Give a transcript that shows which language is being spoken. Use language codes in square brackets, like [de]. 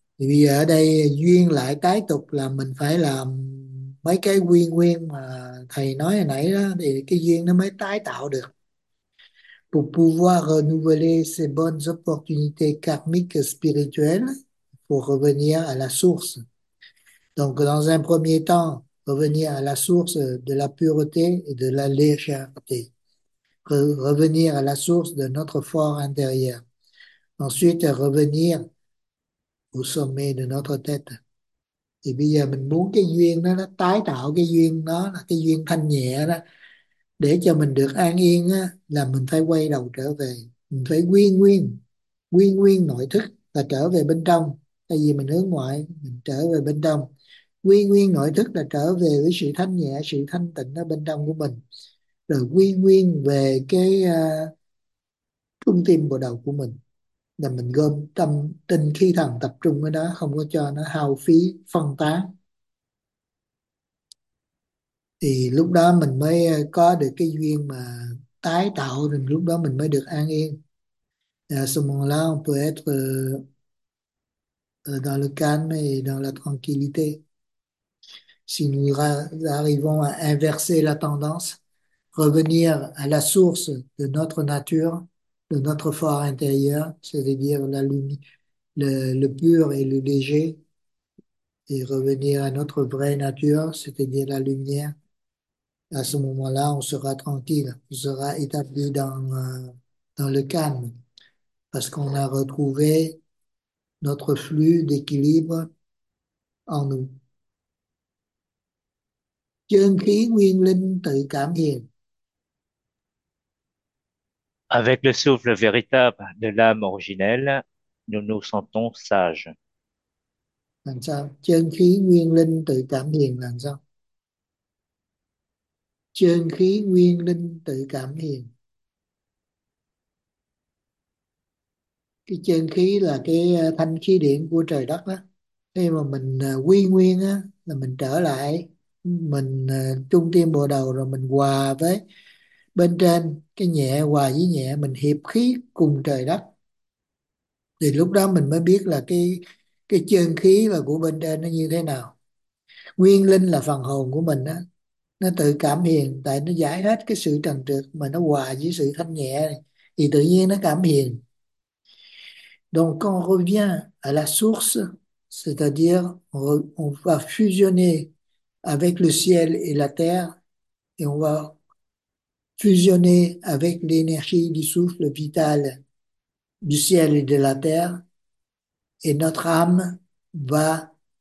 [vi] Vì ở đây duyên lại tái tục là mình phải làm mấy cái quy nguyên mà thầy nói hồi nãy đó, thì cái duyên nó mới tái tạo được. [fr] Pour pouvoir renouveler ces bonnes opportunités karmiques et spirituelles, pour revenir à la source. Donc, dans un premier temps, revenir à la source de la pureté et de la légèreté. revenir à la source de notre fort intérieur. Ensuite, revenir au sommet de notre tête. [vi] Thì bây giờ mình muốn cái duyên đó, nó tái tạo cái duyên đó, là cái duyên thanh nhẹ đó, để cho mình được an yên đó, là mình phải quay đầu trở về, mình phải quy nguyên nội thức là trở về bên trong. Tại vì mình hướng ngoại, mình trở về bên trong. Quy nguyên nội thức là trở về với sự thanh nhẹ, sự thanh tịnh ở bên trong của mình. Rồi quy nguyên về cái trung tâm bộ đầu của mình, là mình gom tâm tinh khí thần tập trung ở đó, không có cho nó hao phí phân tán. Thì lúc đó mình mới có được cái duyên mà tái tạo, thì lúc đó mình mới được an yên. [fr] À, sumon là on peut être dans le calme et dans la tranquillité. Si nous arrivons à inverser la tendance, revenir à la source de notre nature, de notre fort intérieur, c'est-à-dire la lumière, le pur et le léger, et revenir à notre vraie nature, c'est-à-dire la lumière, à ce moment-là, on sera tranquille, on sera établi dans le calme, parce qu'on a retrouvé notre flux d'équilibre en nous. [vi] Chân khí nguyên linh tự cảm hiện. [fr] Avec le souffle véritable de l'âme originelle, nous nous sentons sages. [vi] Làm sao? Chân khí nguyên linh tự cảm hiện làm sao? Chân khí nguyên linh tự cảm hiện. Cái chân khí là cái thanh khí điển của trời đất đó. Khi mà mình quy nguyên á, là mình trở lại, mình trung tâm bộ đầu, rồi mình hòa với bên trên, cái nhẹ hòa với nhẹ, mình hiệp khí cùng trời đất. Thì lúc đó mình mới biết là cái chân khí là của bên trên nó như thế nào. Nguyên linh là phần hồn của mình á, nó tự cảm hiện, tại nó giải hết cái sự trần trược mà nó hòa với sự thanh nhẹ này, thì tự nhiên nó cảm hiện. [fr] Donc quand on revient à la source, c'est-à-dire on va fusionner avec le ciel et la terre, et on va fusionner avec l'énergie du souffle vital du ciel et de la terre, et notre âme va